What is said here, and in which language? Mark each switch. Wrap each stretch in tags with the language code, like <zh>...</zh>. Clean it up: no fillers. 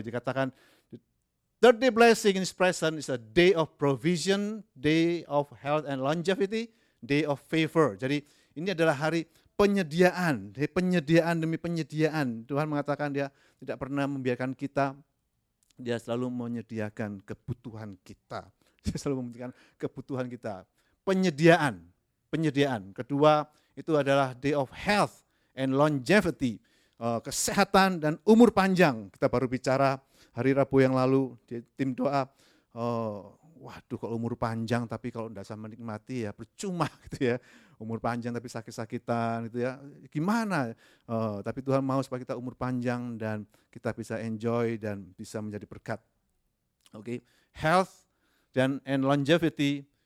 <id>Dikatakan,</id> <en>third day blessing in His presence is a day of provision, day of health and longevity, day of favor.</en> <id>Jadi ini adalah hari penyediaan, penyediaan demi penyediaan. Tuhan mengatakan dia tidak pernah membiarkan kita, dia selalu menyediakan kebutuhan kita. Dia selalu membutuhkan kebutuhan kita. Penyediaan, penyediaan. Kedua, itu adalah</id> <en>day of health and longevity.</en> <id>Kesehatan dan umur panjang. Kita baru bicara hari Rabu yang lalu di tim doa. Waduh, kalau umur panjang tapi kalau tidak bisa menikmati ya percuma gitu ya. Umur panjang tapi sakit-sakitan gitu ya. Gimana? Tapi Tuhan mau supaya kita umur panjang dan kita bisa enjoy dan bisa menjadi berkat. Oke, okay.</id> <en>Health dan and longevity.</en>